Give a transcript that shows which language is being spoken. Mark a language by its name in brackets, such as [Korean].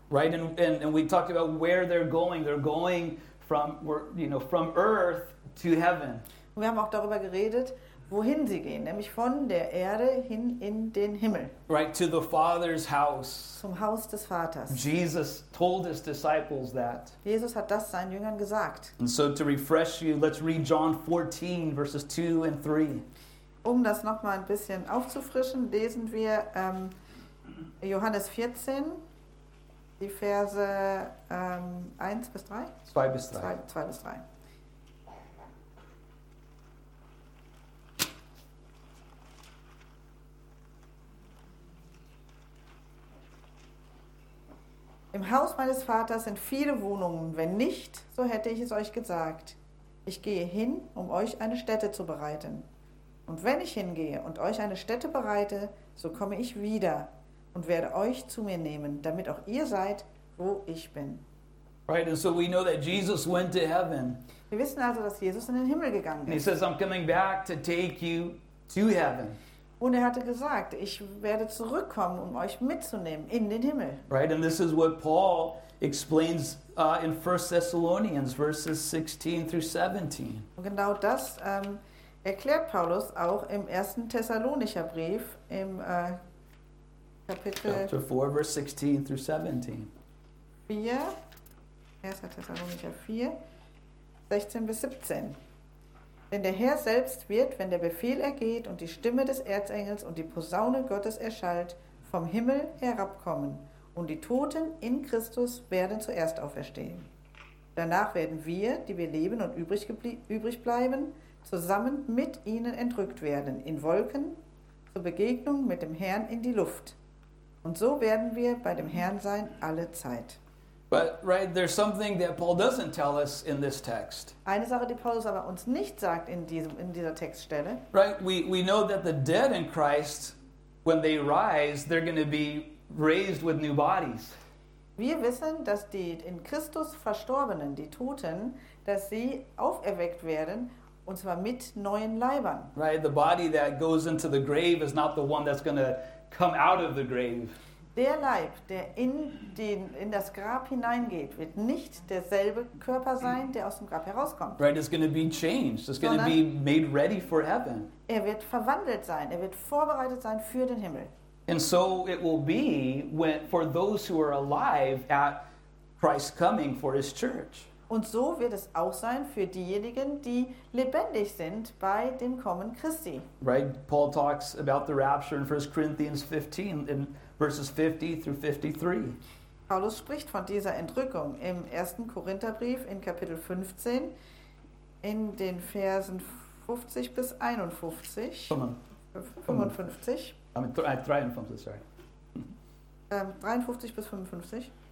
[English] Right, and we talked about where they're going. They're going from earth to heaven. [German] Wir haben auch darüber geredet, wohin sie gehen, nämlich von der Erde hin in den Himmel. [English] Right, to the Father's house. [German] Zum Haus des Vaters. [English] Jesus told his disciples that. [German] Jesus hat das seinen Jüngern gesagt. [English] And so to refresh you, let's read John 14, verses 2 and 3. [German] Um das nochmal ein bisschen aufzufrischen, lesen wir Johannes 14, die Verse 1 bis 3. 2 bis 3. 2 bis 3. Im Haus meines Vaters sind viele Wohnungen. Wenn nicht, so hätte ich es euch gesagt. Ich gehe hin, um euch eine Stätte zu bereiten. Und wenn ich hingehe und euch eine Stätte bereite, so komme ich wieder und werde euch zu mir nehmen, damit auch ihr seid, wo ich bin. [English] Right, and so we know that Jesus went to heaven. [German] Wir wissen also, dass Jesus in den Himmel gegangen ist. [English] And he says, I'm coming back to take you to heaven. [German] Und er hatte gesagt, ich werde zurückkommen, um euch mitzunehmen in den Himmel. [English] Right, and this is what Paul explains in 1 Thessalonians verses 16 through 17. [German] Und genau das erklärt Paulus auch im 1. Thessalonicher Brief im Kapitel [English] 4, verse 16 through 17. [German] 1. Thessalonicher 4, 16 bis 17. Denn der Herr selbst wird, wenn der Befehl ergeht und die Stimme des Erzengels und die Posaune Gottes erschallt, vom Himmel herabkommen. Und die Toten in Christus werden zuerst auferstehen. Danach werden wir, die wir leben und übrig bleiben, zusammen mit ihnen entrückt werden, in Wolken, zur Begegnung mit dem Herrn in die Luft. Und so werden wir bei dem Herrn sein alle Zeit. [English] But right, there's something that Paul doesn't tell us in this text. [German] Eine Sache, die Paulus aber uns nicht sagt in dieser Textstelle. [English] Right, we know that the dead in Christ, when they rise, they're going to be raised with new bodies. [German] Wir wissen, dass die in Christus Verstorbenen, die Toten, dass sie auferweckt werden und zwar mit neuen Leibern. [English] Right, the body that goes into the grave is not the one that's going to come out of the grave. [German] Der Leib, der in das Grab hineingeht, wird nicht derselbe Körper sein, der aus dem Grab herauskommt. [English] Right, it's going to be changed. It's going to be made ready for heaven. [German] Er wird verwandelt sein. Er wird vorbereitet sein für den Himmel. [English] And so it will be when, for those who are alive at Christ's coming for his church. [German] Und so wird es auch sein für diejenigen, die lebendig sind bei dem Kommen Christi. [English] Right, Paul talks about the rapture in 1 Corinthians 15 in verses 50 through 53. [German] Paulus spricht von dieser Entrückung im 1. Korintherbrief in Kapitel 15 in den Versen 50 bis 51. 55. [English] I mean, 53, sorry. [German] 53 bis 55.